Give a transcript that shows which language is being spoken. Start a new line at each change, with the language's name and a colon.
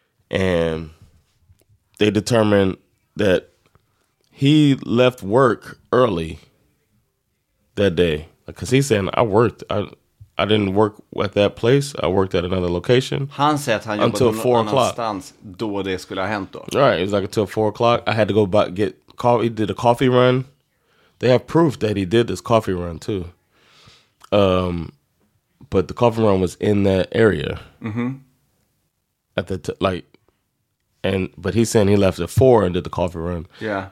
English: And they determined that he left work early that day. Because he's saying, I worked. I didn't work at that place. I worked at another location.
Swedish: Han säger att han jobbade någonstans då det skulle ha hänt då.
English: Right. It was like until 4 o'clock. I had to go back, get coffee. He did a coffee run. They have proof that he did this coffee run too. But the coffee run was in that area. Mm-hmm. But he's saying he left at 4 and did the coffee run. Yeah.